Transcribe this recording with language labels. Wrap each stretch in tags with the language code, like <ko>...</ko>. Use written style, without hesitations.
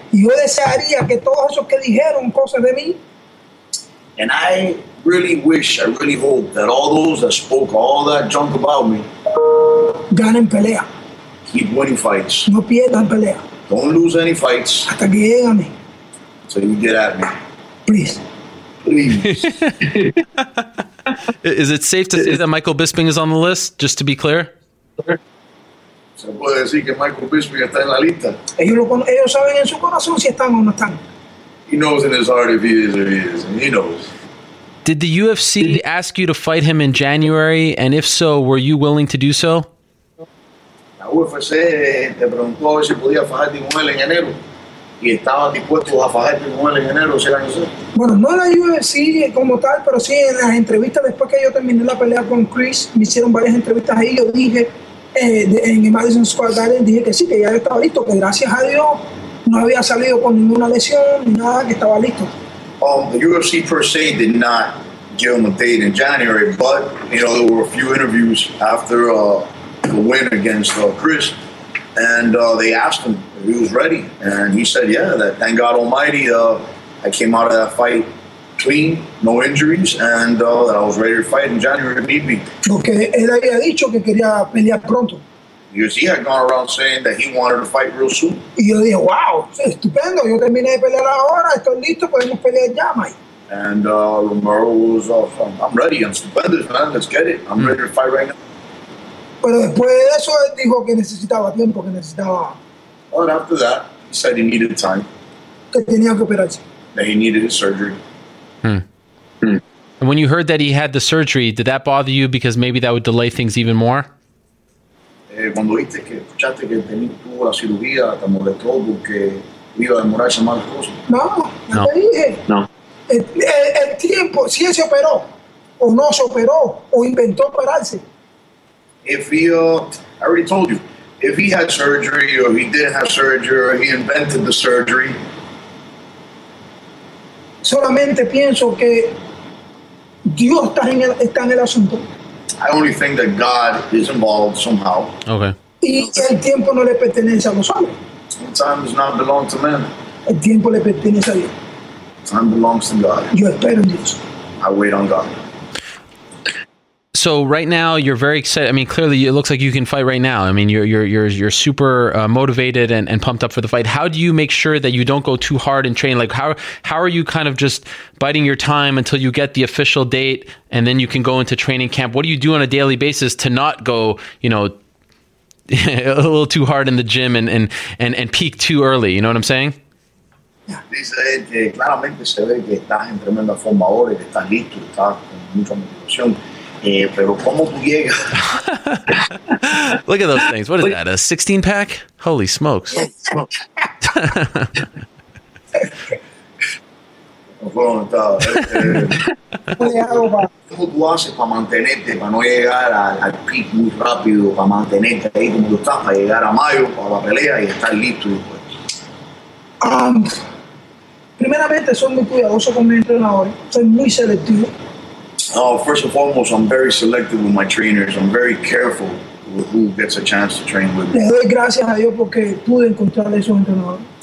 <es>Yo desearía que todos esos que dijeron cosas de mí.</es> <en>And I really wish, I really hope that all those that spoke all that junk about me.</en> <es>Ganen pelea.</es> <en>Keep winning fights.</en> <es>No pierdan pelea.</es> <en>Don't lose any fights.</en> <es>Hasta que lleguen a mí.</es> <en>So you get at me. Please. Please. Is it safe to say that Michael Bisping is on the list, just to be clear?</en> <es>Se puede decir que Michael Bisping está en la lista. Ellos saben en su corazón si están o no están.</es> <en>He knows in his heart if he is or he is, and he knows. Did the UFC ask you to fight him in January, and if so, were you willing to do so?</en> <es>La UFC te preguntó si podía fajar de un en enero. Y estaban dispuestos a fajar de un en enero, si era que sé. Bueno, no la UFC como tal, pero sí en las entrevistas después que yo terminé la pelea con Chris, me hicieron varias entrevistas ahí. Yo dije en el Madison Square Garden, dije que sí, que ya estaba listo, que gracias a Dios no había salido con ninguna lesión ni nada, que estaba listo.</es> <en>The UFC per se did not give him a date in January, but you know there were a few interviews after the win against Chris, and they asked him if he was ready, and he said, "Yeah, that thank God Almighty, I came out of that fight clean, no injuries, and that I was ready to fight in January if need be."</en> <es>Porque él había dicho que quería pelear pronto.</es> <en>Because he had gone around saying that he wanted to fight real soon.</en> <es>Y yo dije, wow, estupendo, yo terminé de pelear ahora, estoy listo, podemos pelear ya, Mike.</es> <en>And Romero was, I'm ready, I'm stupendous, man, let's get it. I'm ready to fight right now.</en> <es>Pero después de eso, él dijo que necesitaba tiempo, que necesitaba...</es> <en>But after that, he said he needed time.</en> <es>Que tenía que operarse.</es> <en>That he needed his surgery. And when you heard that he had the surgery, did that bother you because maybe that would delay things even more?</en> <es>Cuando viste que escuchaste que tuvo la cirugía, te molestó porque iba a demorarse más cosas. No, no te dije. No. El tiempo, si él se operó, o no se operó, o inventó operarse.</es> <en>If he, I already told you, if he had surgery, or he didn't have surgery, or he invented the surgery.</en> <es>Solamente pienso que Dios está en el asunto.</es> <en>I only think that God is involved somehow. Okay.</en> <es>Y el tiempo no le pertenece a los hombres.</es> <en>Time does not belong to men.</en> <es>El tiempo le pertenece a Dios.</es> <en>Time belongs to God.</en> <es>Yo espero en Dios.</es> <en>I wait on God. So right now you're very excited. I mean, clearly it looks like you can fight right now. I mean, you're super motivated and pumped up for the fight. How do you make sure that you don't go too hard and train? Like how are you kind of just biding your time until you get the official date and then you can go into training camp? What do you do on a daily basis to not go, you know, a little too hard in the gym and peak too early? You know what I'm saying?</en> <es>Dice él que claramente se ve que estás en tremenda forma ahora, que estás listo, estás con mucha motivación. Pero ¿cómo tú llegas?</es> <en>Look at those things. What is that? A 16 pack? Holy smokes.</en> <es>¿Cómo tú haces para mantenerte, para no llegar al peak muy rápido, para mantenerte ahí como tú estás, para llegar a mayo, para la pelea y estar listo después? Primeramente, soy muy cuidadoso con mi entrenador. Soy muy selectivo.</es> <en>First and foremost, I'm very selective with my trainers. I'm very careful with who gets a chance to train with me.</en> <es>Le doy gracias a Dios porque pude encontrar esos entrenadores.</es>